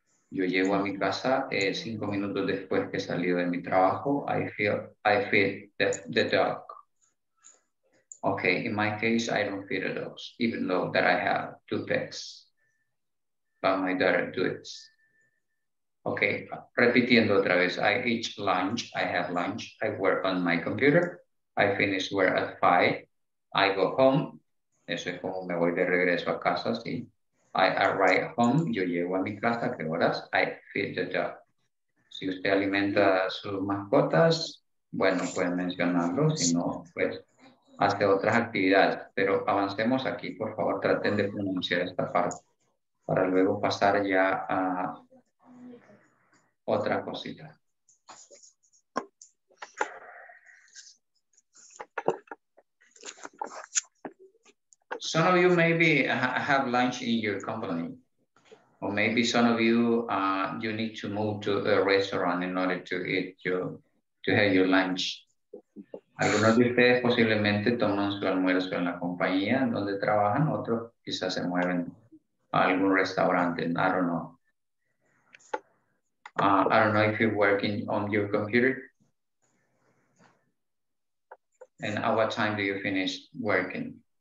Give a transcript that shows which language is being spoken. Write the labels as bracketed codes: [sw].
[es] Yo llego a mi casa 5 minutos después que salí de mi trabajo. [en] I feed the dog. Okay, in my case, I don't feed the dogs, even though that I have 2 pets. But my daughter do it. Okay, [es] repitiendo otra vez. [en] I eat lunch. I have lunch. I work on my computer. I finish work at 5. I go home. [es] Eso es como me voy de regreso a casa, sí. [en] I arrive home. [es] Yo llego a mi casa. ¿Qué horas? [en] I feed the dog. [es] Si usted alimenta a sus mascotas, bueno, puede mencionarlo. Si no, pues hace otras actividades. Pero avancemos aquí. Por favor, traten de pronunciar esta parte para luego pasar ya a otra cosita. [en] Some of you maybe have lunch in your company, or maybe some of you you need to move to a restaurant in order to eat to have your lunch. [es] Algunos de ustedes posiblemente toman su almuerzo en la compañía donde trabajan, otros quizás se mueven a algún restaurante. [en] I don't know. I don't know if you're working on your computer. And at what time do you finish working?